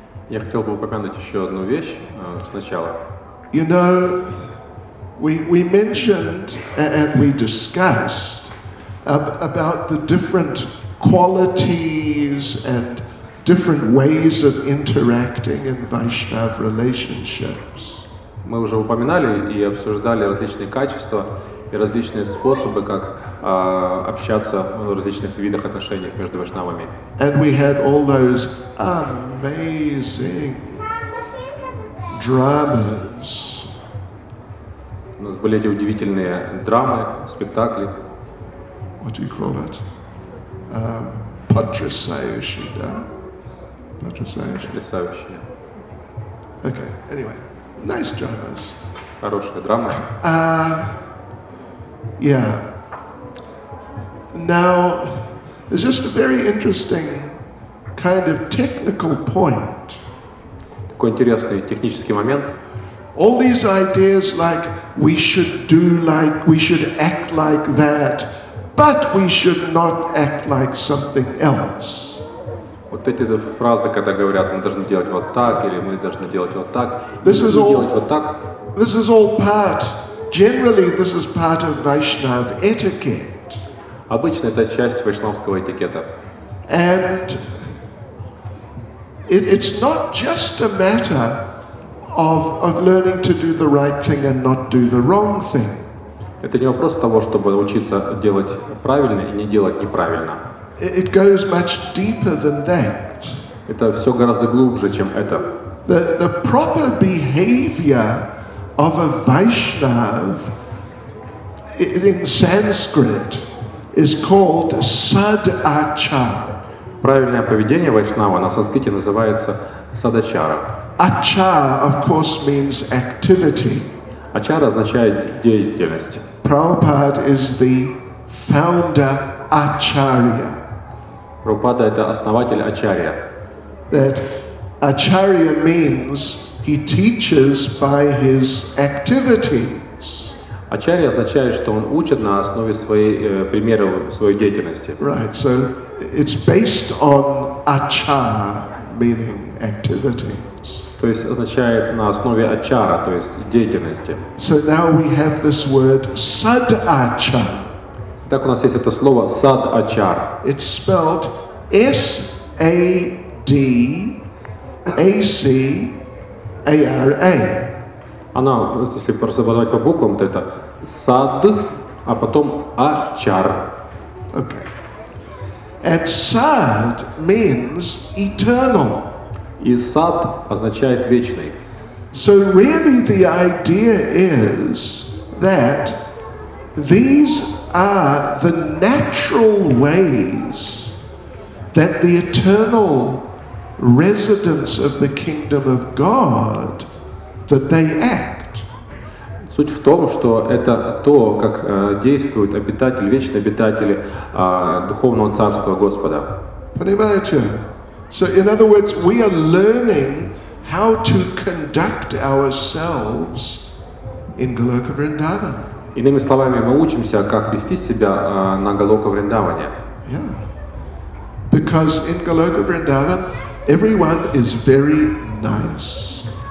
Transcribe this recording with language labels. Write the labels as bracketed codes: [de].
[ru] Я хотел бы упомянуть ещё одну вещь сначала. [en] You know, we mentioned and we discussed about the different qualities and different ways of interacting in Vaishnav relationships. [ru] Мы уже упоминали и обсуждали различные качества и различные способы, как общаться в различных видах отношений между вайшнавами. [en] And we had all those amazing dramas. [ru] У нас были эти удивительные драмы, спектакли. [en] What do you call it? Patrasayushi, да? [ru] Потрясающе. [en] Okay, anyway, nice dramas. [ru] Хорошая драма. [en] Yeah. Now, it's just a very interesting kind of technical point. [ru] Такой интересный технический момент. [en] All these ideas like we should do like, we should act like that, but we should not act like something else. [ru] Вот эти фразы, когда говорят, мы должны делать вот так, или мы должны делать вот так, [en] this is all, [ru] делать вот так. [en] This is all part, generally this is part of Vaishnav etiquette. [ru] Обычно это часть вайшнавского этикета. [en] And it's not just a matter of learning to do the right thing and not do the wrong thing. [ru] Это не вопрос того, чтобы научиться делать правильно и не делать неправильно. [en] It goes much deeper than that. [ru] Это все гораздо глубже, чем это. [en] The proper behavior of a Vaishnav in Sanskrit is called sadachara. [ru] Правильное поведение вайшнава на санскрите называется садачара. [en] Ачара, of course, means activity. [ru] Ачара означает деятельность. [en] Prabhupada is the founder acharya. [ru] Прабхупада – это основатель ачарья. [en] That acharya means he teaches by his activities. [ru] Ачарья означает, что он учит на основе своей примера своей деятельности. [en] Right, so it's based on achara, meaning activities. [ru] То есть означает на основе ачара, то есть деятельности. [en] So now we have this word sadachara. [ru] Так у нас есть это слово садачар. [en] It's spelled S-A-D-A-C-A-R-A. [ru] Оно, если разобрать по буквам, то это сад, а потом ачар. [en] Okay. And sad means eternal. [ru] И сад означает вечный. [en] So really the idea is that these are the natural ways that the eternal residents of the kingdom of God that they act. [ru] Суть в том, что это то, как действуют обитатели, вечные обитатели духовного царства Господа. Понимаете? [en] So in other words, we are learning how to conduct ourselves in Goloka Vrindavan. [ru] Иными словами, мы учимся, как вести себя на Галока Вриндаване. [en] Because in Galoka Vrindavan, everyone is very nice.